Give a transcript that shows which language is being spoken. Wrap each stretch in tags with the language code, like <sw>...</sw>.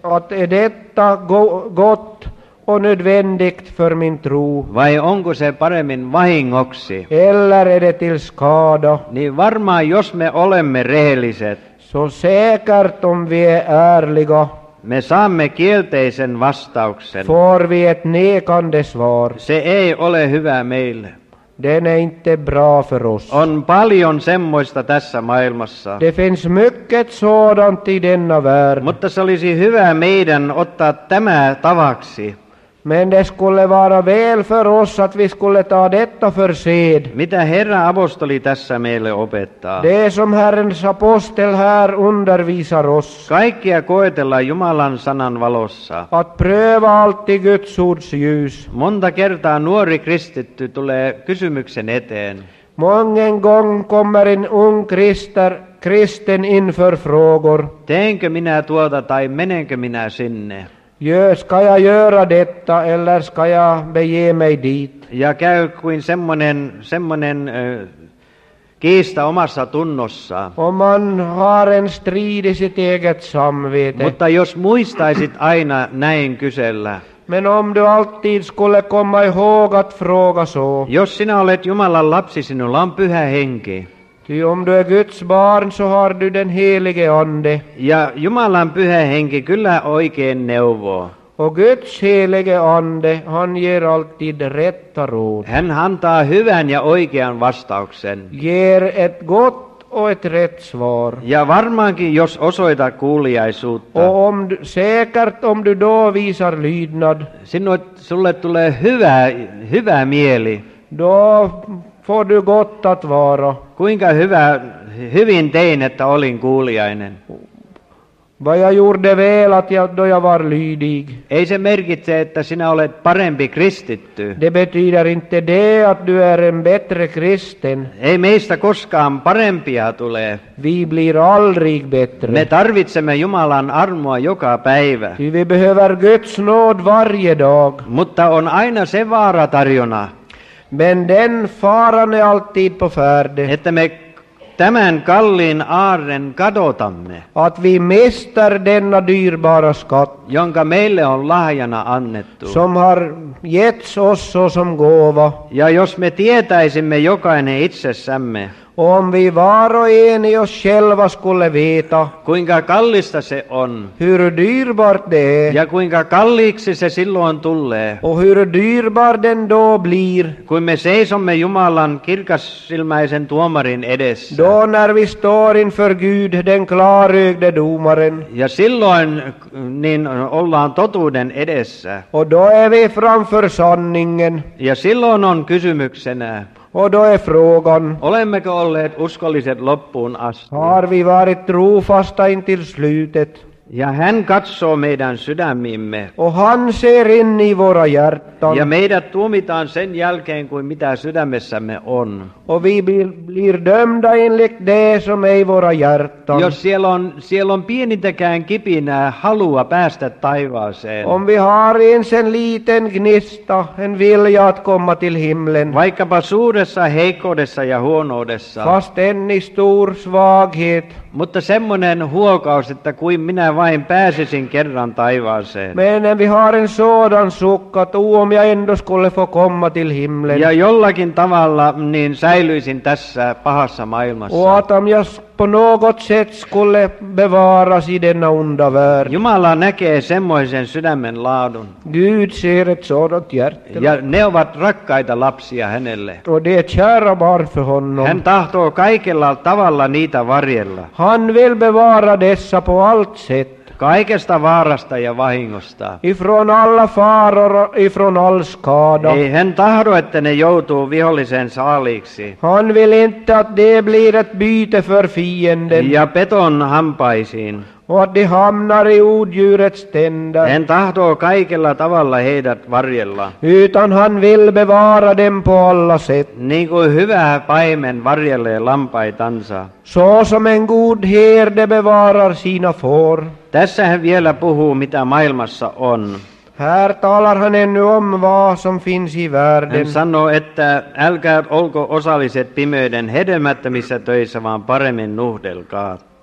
<sv>Är detta gott och nödvändigt för min tro?</sv> <fi>Vai onko se paremmin vahingoksi?</fi> <sv>Eller är det till skada?</sv> <fi>Niin varmaan jos me olemme rehelliset.</fi> <sv>Så säkert om vi är ärliga.</sv> <fi>Me saamme kielteisen vastauksen.</fi> <sv>Får vi ett nekande svar?</sv> <fi>Se ei ole hyvä meille.</fi> <sv>Den är inte bra för oss.</sv> <fi>On paljon semmoista tässä maailmassa.</fi> <sv>Det finns mycket sådant i denna värld.</sv> <fi>Mutta se olisi hyvä meidän ottaa tämä tavaksi.</fi> <sv>Men det skulle vara väl för oss att vi skulle ta detta för sed.</sv> <fi>Mitä Herra apostoli tässä meille opettaa?</fi> <sv>Det som Herrens apostel här undervisar oss.</sv> <fi>Kaikkia koetellaan Jumalan sanan valossa.</fi> <sv>Att pröva alltid Guds ords ljus.</sv> <fi>Monta kertaa nuori kristitty tulee kysymyksen eteen.</fi> <sv>Mången gång kommer en ung kristen inför frågor.</sv> <fi>Teenkö minä tuota tai menenkö minä sinne?</fi> <sv>Ska jag göra detta eller ska jag bege mig dit?</sv> <fi>Ja käy kuin semmonen kiista omassa tunnossa. Oman haaren striidi sitt eget samvete. Mutta jos muistaisit aina näin kysellä.</fi> <sv>Men om du alltid skulle komma ihåg att fråga så.</sv> <fi>Jos sinä olet Jumalan lapsi, sinulla on pyhä henki.</fi> <sv>Ty om du är Guds barn så har du den helige ande.</sv> <fi>Ja Jumalan pyhä henki kyllä oikein neuvoo.</fi> <sv>Och Guds helige ande, han ger alltid rätta råd.</sv> <fi>Hän antaa hyvän ja oikean vastauksen.</fi> <sv>Ger ett gott och ett rätt svar.</sv> <fi>Ja varmaankin jos osoita kuuliaisuutta.</fi> <sv>Och om du, säkert om du då visar lydnad.</sv> <fi>Sulle tulee hyvä mieli.</fi> <sv>Då får du gott att vara.</sv> <fi>Kuinka hyvin tein, että olin kuulijainen.</fi> <sv>Vad jag gjorde väl att då jag var lydig.</sv> <fi>Ei se merkitse, että sinä olet parempi kristitty.</fi> <sv>Det betyder inte det att du är en bättre kristen.</sv> <fi>Ei meistä koskaan parempia tule.</fi> <sv>Vi blir aldrig bättre.</sv> <fi>Me tarvitsemme Jumalan armoa joka päivä.</fi> <sv>Vi behöver Guds nåd varje dag.</sv> <fi>Mutta on aina se vaara tarjona.</fi> <sv>Men den faran är alltid på färde.</sv> <fi>Että me tämän kalliin aaren kadotamme.</fi> <sv>Att vi mister denna dyrbara skatt.</sv> <fi>Jonka meille on lahjana annettu.</fi> <sv>Som har getts oss som gåva.</sv> <fi>Ja jos me tietäisimme jokainen itsessämme.</fi> <sv>Om vi var och en i oss själva skulle veta.</sv> <fi>Kuinka kallista se on.</fi> <sv>Hur dyrbart det är.</sv> <fi>Ja kuinka kalliiksi se silloin tulee.</fi> <sv>Och hur dyrbar den då blir.</sv> <fi>Kun me seisomme Jumalan kirkassilmäisen tuomarin edessä.</fi> <sv>Då när vi står inför Gud, den klarögde domaren.</sv> <fi>Ja silloin niin ollaan totuuden edessä.</fi> <sv>Och då är vi framför sanningen.</sv> <fi>Ja silloin on kysymyksenä.</fi> <sv>Och då är frågan.</sv> <fi>Olemmeko olleet uskolliset loppuun asti?</fi> <sv>Har vi varit trofasta intill slutet?</sv> <fi>Ja hän katsoo meidän sydämimme.</fi> <sv>Och han ser in i våra hjärtan.</sv> <fi>Ja meidät tuomitaan sen jälkeen kuin mitä sydämessämme on.</fi> <sv>Och vi blir dömda enligt det som är i våra hjärtan.</sv> <fi>Jos siellä on pienintäkään kipinää halua päästä taivaaseen.</fi> <sv>Om vi har en sen liten gnista, en vilja att komma till himlen.</sv> <fi>Vaikkapa suuressa heikkoudessa ja huonoudessa.</fi> <sv>Fast en i stor svaghet.</sv> <fi>Mutta semmoinen huokaus, että kuin minä vain pääsisin kerran taivaaseen. Menen viharin sodan sukka, tuom ja endos kolle få komma till himlen. Ja jollakin tavalla niin säilyisin tässä pahassa maailmassa.</fi> <sv>Oatam jas på något sätt skulle bevaras i denna onda värld.</sv> <fi>Jumala näkee semmoisen sydämen laadun.</fi> <sv>Gud ser ett sådant hjärta.</sv> <fi>Ja ne ovat rakkaita lapsia hänelle.</fi> <sv>Och det är kära barn för honom.</sv> <fi>Hän tahtoo kaikella tavalla niitä varjella.</fi> <sv>Han vill bevara dessa på allt sätt.</sv> <fi>Kaikesta vaarasta ja vahingosta.</fi> <sv>Ifrån alla faror, ifrån all skada.</sv> <fi>Ei hän tahdo, että ne joutuu vihollisen saaliiksi.</fi> <sv>Han vill inte att det blir ett byte för fienden.</sv> <fi>Ja peton hampaisiin.</fi> <sv>och att de hamnar i odjurets tänder.</sv> <fi>En tahtoo kaikella tavalla heidät varjella.</fi> <sv>Utan han vill bevara dem på alla sätt.</sv> <fi>Niin kuin hyvä paimen varjelee lampaitansa.</fi> <sv>Så som en god herde bevarar sina får.</sv> <fi>Tässä hän vielä puhuu, mitä maailmassa on.</fi> <sv>Här talar han ännu om vad som finns i världen.</sv> <fi>Hän sanoo, että älkää olko osalliset pimeyden hedelmättömissä töissä, vaan paremmin nuhdelkaa.</fi>